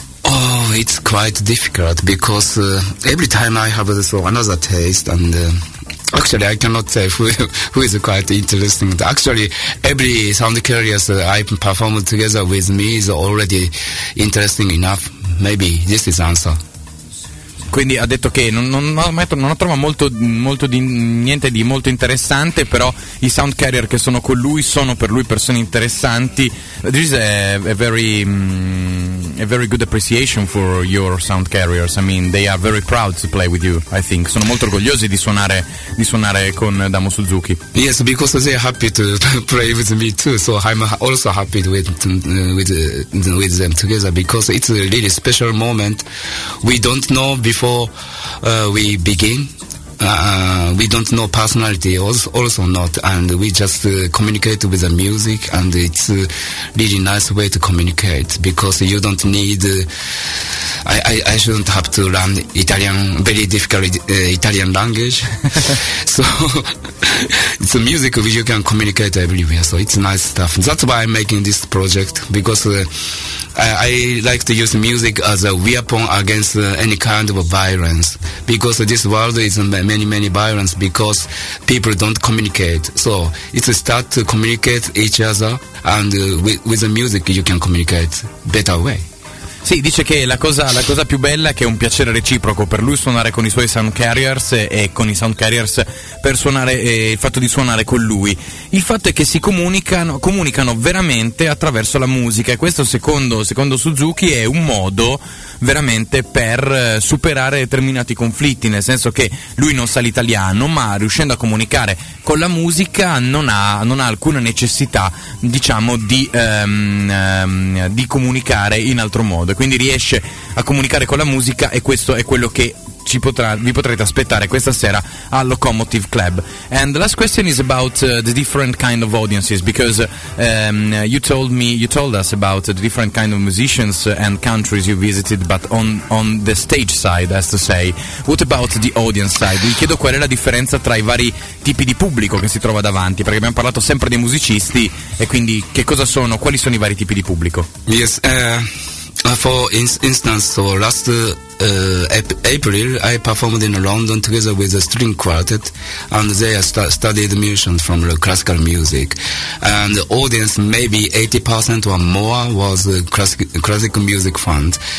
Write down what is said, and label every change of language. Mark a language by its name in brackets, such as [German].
[English] Oh, it's quite difficult because every time I have so another taste, and actually I cannot say who is quite interesting. Actually, every sound curious I perform together with me is already interesting enough. Maybe this is answer. [Italian] Quindi ha detto che non ha trovato molto di niente di molto interessante, però i sound carrier che sono con lui sono per lui persone interessanti. [English] This is a very good appreciation for your sound carriers. I mean, they are very proud to play with you, I think. [Italian] Sono molto orgogliosi di suonare con Adamo Suzuki. [English] Yes, because they are happy to play with me too, so I'm also happy with them together, because it's a really special moment. We don't know before we begin, we don't know personality also not, and we just communicate with the music, and it's a really nice way to communicate, because you don't need I shouldn't have to learn Italian, very difficult Italian language. So it's a music which you can communicate everywhere, so it's nice stuff. That's why I'm making this project, because I like to use music as a weapon against any kind of violence, because this world is many violence, because people don't communicate. So it's a start to communicate each other, and with the music you can communicate better way. [Italian] Sì, dice che la cosa più bella è che è un piacere reciproco per lui suonare con i suoi sound carriers e con i sound carriers per suonare, il fatto di suonare con lui. Il fatto è che si comunicano veramente attraverso la musica, e questo secondo Suzuki è un modo veramente per superare determinati conflitti, nel senso che lui non sa l'italiano, ma riuscendo a comunicare con la musica non ha alcuna necessità, diciamo, di comunicare in altro modo. Quindi riesce a comunicare con la musica, e questo è quello che ci potrà, vi potrete aspettare questa sera al Locomotive Club. [English] And the last question is about the different kind of audiences, because you told us about the different kind of musicians and countries you visited, but on the stage side, as to say, what about the audience side? [Italian] Vi chiedo qual è la differenza tra i vari tipi di pubblico che si trova davanti, perché abbiamo parlato sempre dei musicisti, e quindi che cosa sono, quali sono i vari tipi di pubblico? [English] Yes, for instance, so last April, I performed in London together with a string quartet, and they studied musicians from classical music. And the audience, maybe 80% or more, was classical music fans.